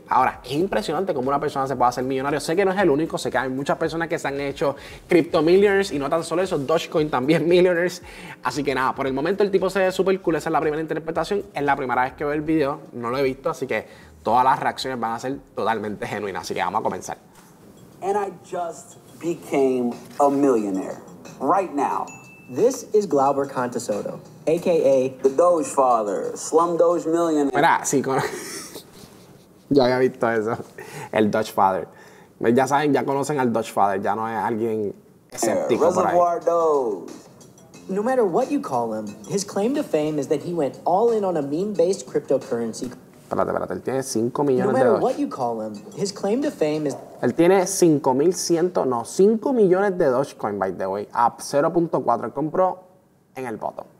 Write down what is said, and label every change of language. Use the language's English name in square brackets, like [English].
[Spanish] Ahora, es impresionante cómo una persona se puede hacer millonario. Sé que no es el único, sé que hay muchas personas que se han hecho crypto millionaires, y no tan solo eso, Doge Coin también millionaires. Así que nada, por el momento el tipo se ve súper cool, esa es la primera interpretación, es la primera vez que veo el video, no lo he visto, así que todas las reacciones van a ser totalmente genuinas, así que vamos a comenzar. [English] And I just became a millionaire, right now. This is Glauber Contesoto, a.k.a. The Doge Father, Slum Doge Millionaire. [Spanish] Mira, sí, con... yo había visto eso, el Doge Father. Ya saben, ya conocen al Doge Father, ya no es alguien escéptico por ahí. [English] Reservoir Doge. No matter what you call him, his claim to fame is that he went all in on a meme-based cryptocurrency. [Spanish] Espérate, él tiene 5 millones de dólares. [English] No matter what you call him, his claim to fame is... [Spanish] Él tiene 5 millones de Dogecoin, [English] by the way, [Spanish] a 0.4, compró en el voto.